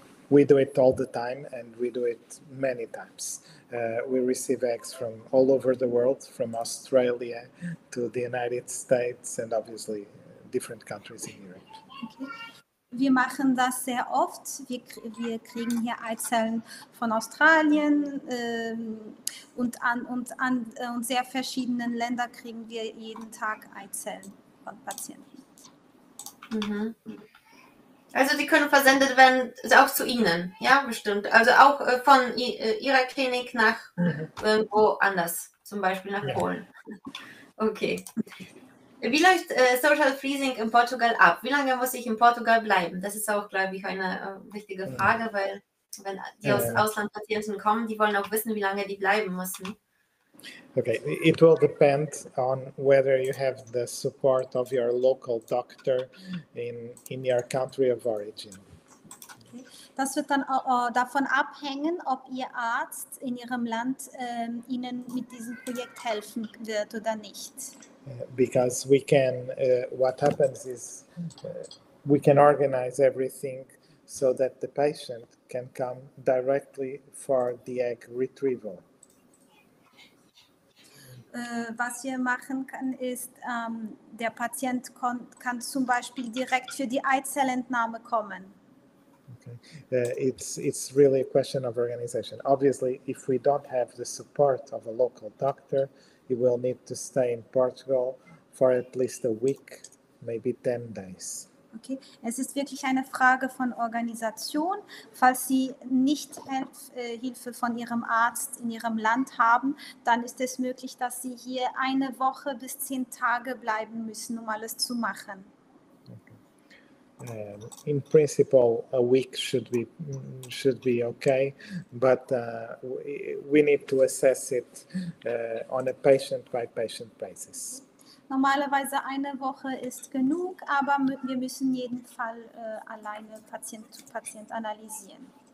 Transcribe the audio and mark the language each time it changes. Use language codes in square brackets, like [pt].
[en] we do it all the time, and we do it many times. We receive eggs from all over the world, from Australia to the United States and obviously different countries in Europe. [de] Okay. Wir machen das sehr oft. Wir kriegen hier Eizellen von Australien und sehr verschiedenen Länder kriegen wir jeden Tag Eizellen von Patienten. Also die können versendet werden, auch zu Ihnen, ja, bestimmt. Also auch von Ihrer Klinik nach irgendwo anders, zum Beispiel nach Polen. Okay. Wie läuft Social Freezing in Portugal ab? Wie lange muss ich in Portugal bleiben? Das ist auch, glaube ich, eine wichtige Frage, weil wenn die aus Auslandpatienten kommen, die wollen auch wissen, wie lange die bleiben müssen. [en] Okay, it will depend on whether you have the support of your local doctor in your country of origin. [de] Das wird dann auch davon abhängen, ob Ihr Arzt in Ihrem Land Ihnen mit diesem Projekt helfen wird oder nicht. [en] Because we can, what happens is, we can organize everything so that the patient can come directly for the egg retrieval. [de] Was wir machen können, ist, der Patient kann zum Beispiel direkt für die Eizellentnahme kommen. [en] It's really a question of organization. Obviously, if we don't have the support of a local doctor, you will need to stay in Portugal for at least a week, maybe 10 days. [de] Okay, es ist wirklich eine Frage von Organisation. Falls Sie nicht Hilfe von Ihrem Arzt in Ihrem Land haben, dann ist es möglich, dass Sie hier eine Woche bis 10 Tage bleiben müssen, um alles zu machen. [en] In principle, a week should be okay, but we need to assess it on a patient-by-patient basis. [de] Normalerweise eine Woche ist genug, aber wir müssen jeden Fall alleine [en] Patient-to-Patient [de] analysieren.